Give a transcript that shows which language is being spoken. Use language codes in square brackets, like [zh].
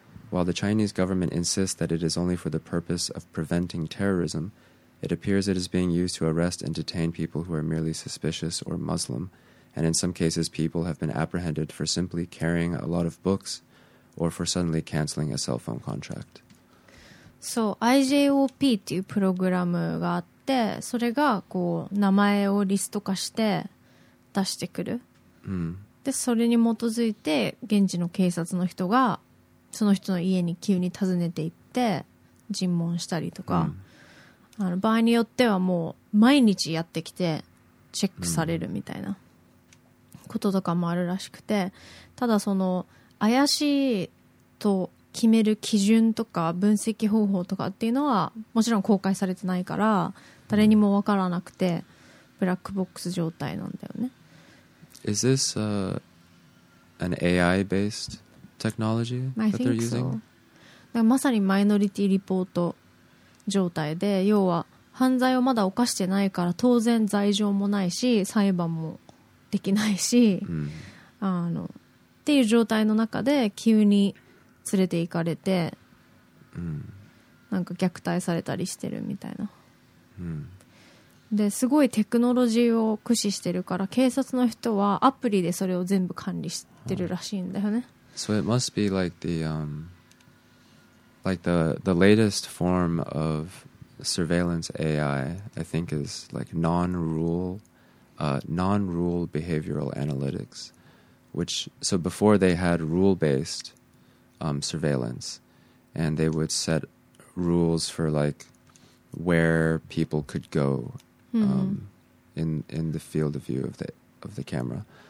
[en] While the Chinese government insists that it is only for the purpose of preventing terrorism,It appears it is being used to arrest and detain people who are merely suspicious or Muslim, and in some cases people have been apprehended for simply carrying a lot of books or for suddenly canceling a cell phone contract. [ja] そう、 IJOP っていうプログラムがあって、それがこう名前をリスト化して出してくる、うん、でそれに基づいて現地の警察の人がその人の家に急に訪ねていって尋問したりとか、うん、あの場合によってはもう毎日やってきてチェックされるみたいなこととかもあるらしくて、ただその怪しいと決める基準とか分析方法とかっていうのはもちろん公開されてないから誰にも分からなくて、ブラックボックス状態なんだよね。 [en] Is this an AI based technology that they're using? [ja] だからまさにマイノリティリポート状態で、要は犯罪をまだ犯してないから当然罪状もないし裁判もできないし、うん、あのっていう状態の中で急に連れて行かれて、うん、なんか虐待されたりしてるみたいな、うん、ですごいテクノロジーを駆使してるから警察の人はアプリでそれを全部管理してるらしいんだよね。 [en] So it must be like the Like the latest form of surveillance AI, I think, is like non-rule behavioral analytics. Which, so before they had rule-based surveillance, and they would set rules for like where people could go in the field of view of the camera.